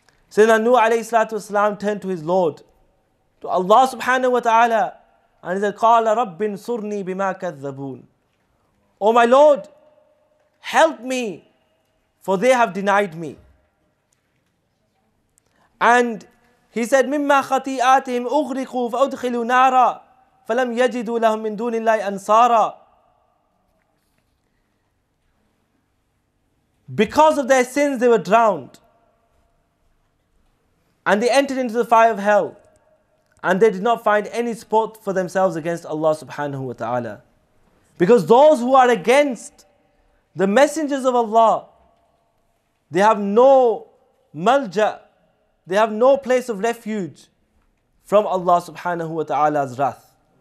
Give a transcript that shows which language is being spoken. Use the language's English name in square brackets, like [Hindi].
[English] Sayyiduna Nuh alayhi salatu wasalam turned to his Lord, to Allah subhanahu wa ta'ala, and he said, [Arabic] قَالَ رَبِّنْ صُرْنِي بِمَا كَذَّبُونَ. [English] Oh my Lord, help me, for they have denied me. And he said, [Arabic] مِمَّا خَطِيئَاتِهِمْ أُغْرِقُوا فَأُدْخِلُوا نَارًا فَلَمْ يَجِدُوا لَهُمْ مِنْ دُونِ اللَّهِ أَنْصَارًا. [English] Because of their sins, they were drowned. And they entered into the fire of hell. And they did not find any support for themselves against Allah subhanahu wa ta'ala. Because those who are against the messengers of Allah, they have no malja, they have no place of refuge from Allah subhanahu wa ta'ala's wrath.